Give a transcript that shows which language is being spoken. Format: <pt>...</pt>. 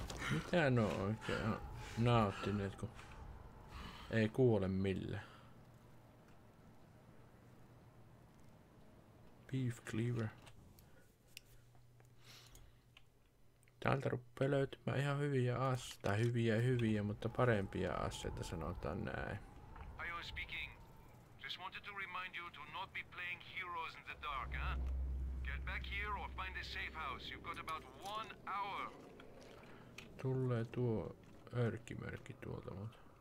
<fi>Mitä no oikein on nauttineet, kun ei kuole mille.</fi> <en>Beef cleaver.</en> <fi>Täältä rupee löytymään ihan hyviä aseita, hyviä, mutta parempia aseita, sanotaan näin.</fi> <en>Hi, I'm speaking. Just wanted to remind you to not be playing heroes in the dark, huh? Get back here or find a safe house. You've got about one hour.</en> <fi>Tulee tuo örkkimörkki tuolta, mutta...</fi>